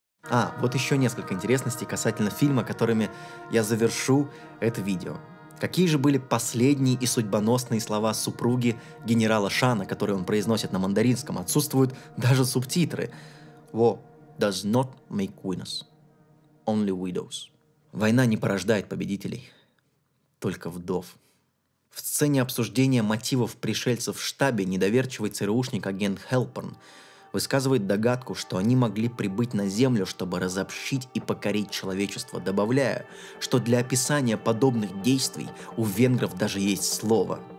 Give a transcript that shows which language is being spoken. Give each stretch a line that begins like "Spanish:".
Russian: А, вот еще несколько интересностей касательно фильма, которыми я завершу это видео. Какие же были последние и судьбоносные слова супруги генерала Шана, которые он произносит на мандаринском? Отсутствуют даже субтитры.
English: War does not make winners, only widows.
Russian: Война не порождает победителей, только вдов. В сцене обсуждения мотивов пришельцев в штабе недоверчивый ЦРУшник агент Хелперн высказывает догадку, что они могли прибыть на Землю, чтобы разобщить и покорить человечество, добавляя, что для описания подобных действий у венгров даже есть слово.